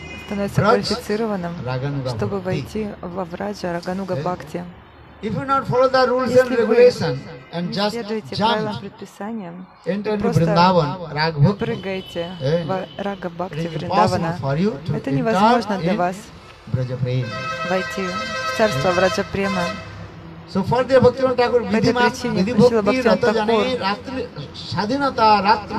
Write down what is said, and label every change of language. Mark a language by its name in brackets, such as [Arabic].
[Russian] становится квалифицированным, чтобы войти во враджа Рагануга Бхакти. [English] If you not follow the rules and regulations and just jump, enter into Vrindavan, [Russian] прыгайте в Рага Бхакти Вриндавана, это невозможно для вас. Войти в царство Враджа Према. По этой причине Шрила Бхактивинода Такур